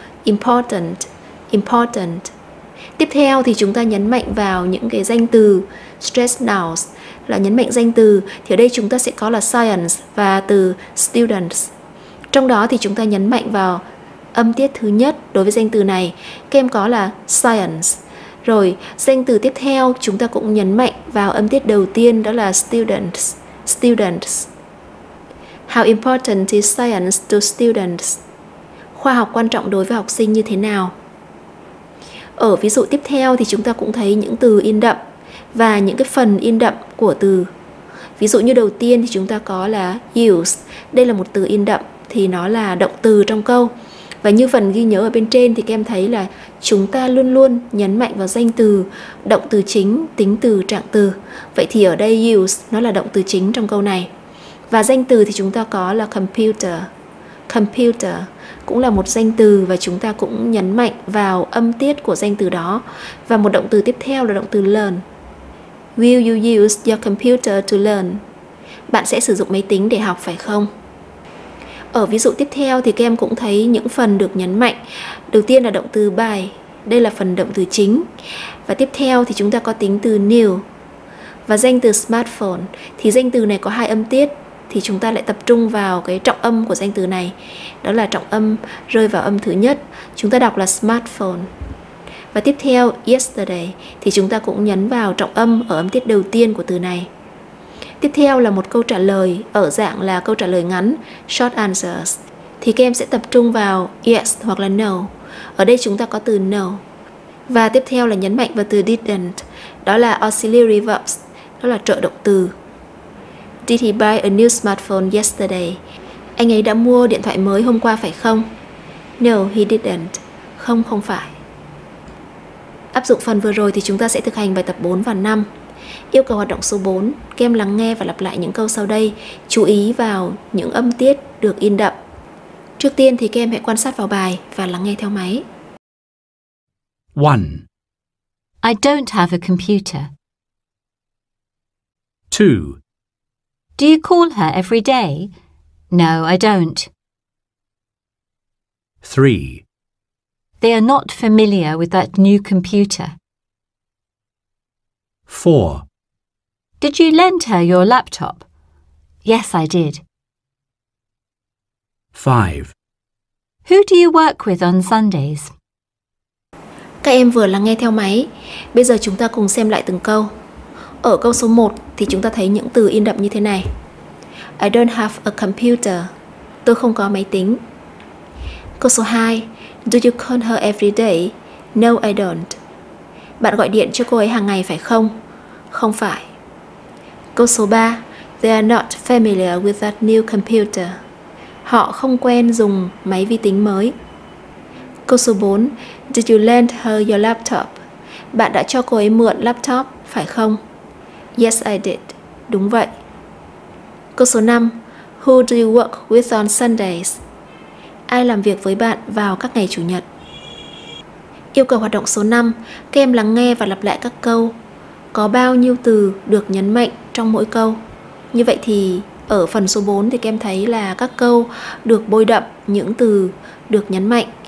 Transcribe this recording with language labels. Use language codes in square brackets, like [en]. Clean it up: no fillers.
[en] Important, important. [vi] Tiếp theo thì chúng ta nhấn mạnh vào những cái danh từ stress nouns, là nhấn mạnh danh từ, thì ở đây chúng ta sẽ có là science và từ students. Trong đó thì chúng ta nhấn mạnh vào âm tiết thứ nhất đối với danh từ này, các em có là science. Rồi danh từ tiếp theo chúng ta cũng nhấn mạnh vào âm tiết đầu tiên, đó là students, students. [en] How important is science to students? [vi] Khoa học quan trọng đối với học sinh như thế nào? Ở ví dụ tiếp theo thì chúng ta cũng thấy những từ in đậm và những cái phần in đậm của từ. Ví dụ như đầu tiên thì chúng ta có là use. Đây là một từ in đậm thì nó là động từ trong câu. Và như phần ghi nhớ ở bên trên thì các em thấy là chúng ta luôn luôn nhấn mạnh vào danh từ, động từ chính, tính từ, trạng từ. Vậy thì ở đây use nó là động từ chính trong câu này. Và danh từ thì chúng ta có là computer. Computer cũng là một danh từ và chúng ta cũng nhấn mạnh vào âm tiết của danh từ đó. Và một động từ tiếp theo là động từ learn. [en] Will you use your computer to learn? [vi] Bạn sẽ sử dụng máy tính để học phải không? Ở ví dụ tiếp theo thì các em cũng thấy những phần được nhấn mạnh. Đầu tiên là động từ by. Đây là phần động từ chính. Và tiếp theo thì chúng ta có tính từ new. Và danh từ smartphone. Thì danh từ này có hai âm tiết. thì chúng ta lại tập trung vào cái trọng âm của danh từ này. Đó là trọng âm rơi vào âm thứ nhất, chúng ta đọc là smartphone. Và tiếp theo yesterday thì chúng ta cũng nhấn vào trọng âm ở âm tiết đầu tiên của từ này. Tiếp theo là một câu trả lời ở dạng là câu trả lời ngắn, short answers, thì các em sẽ tập trung vào yes hoặc là no. Ở đây chúng ta có từ no. Và tiếp theo là nhấn mạnh vào từ didn't, đó là auxiliary verbs, đó là trợ động từ. [en] Did he buy a new smartphone yesterday? [vi] Anh ấy đã mua điện thoại mới hôm qua phải không? [en] No, he didn't. [vi] Không, không phải. Áp dụng phần vừa rồi thì chúng ta sẽ thực hành bài tập 4 và 5. Yêu cầu hoạt động số 4, các em lắng nghe và lặp lại những câu sau đây, chú ý vào những âm tiết được in đậm. Trước tiên thì các em hãy quan sát vào bài và lắng nghe theo máy. [en] 1. I don't have a computer. 2. Do you call her every day? No, I don't. 3. They are not familiar with that new computer. 4. Did you lend her your laptop? Yes, I did. 5. Who do you work with on Sundays? [vi] Các em vừa lắng nghe theo máy. Bây giờ chúng ta cùng xem lại từng câu. Ở câu số 1 thì chúng ta thấy những từ in đậm như thế này. [en] I don't have a computer. [vi] Tôi không có máy tính. Câu số 2. [en] Do you call her every day? No, I don't. [vi] Bạn gọi điện cho cô ấy hàng ngày phải không? Không phải. Câu số 3. [en] They are not familiar with that new computer. [vi] Họ không quen dùng máy vi tính mới. Câu số 4. [en] Did you lend her your laptop? [vi] Bạn đã cho cô ấy mượn laptop, phải không? [en] Yes, I did. [vi] Đúng vậy. Câu số 5. [en] Who do you work with on Sundays? [vi] Ai làm việc với bạn vào các ngày chủ nhật? Yêu cầu hoạt động số 5. Các em lắng nghe và lặp lại các câu. Có bao nhiêu từ được nhấn mạnh trong mỗi câu? Như vậy thì ở phần số 4 thì các em thấy là các câu được bôi đậm những từ được nhấn mạnh.